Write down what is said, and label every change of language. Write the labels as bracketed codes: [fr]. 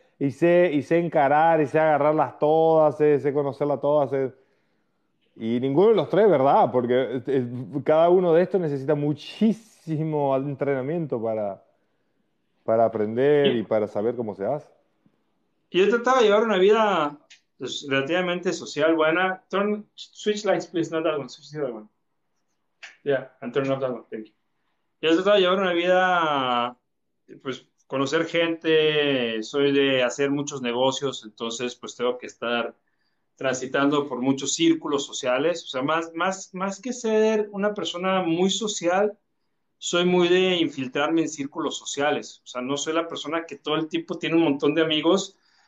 [es] Y sé encarar, y sé agarrarlas todas, sé conocerlas todas. Y ninguno de los tres, ¿verdad? Porque cada uno de estos necesita muchísimo entrenamiento para aprender y para saber cómo se hace. Yo trataba de llevar una vida pues, relativamente social, buena. [en] Turn switch lights, please, not that one. Switch the other one. Yeah, and turn off that one. Thank you. [es] Yo trataba de llevar una vida, pues, conocer gente. Soy de hacer muchos negocios, entonces, pues, tengo que estar transitando por muchos círculos sociales. O sea, más que ser una persona muy social, soy muy de infiltrarme en círculos sociales. O sea, no soy la persona que todo el tiempo tiene un montón de amigos.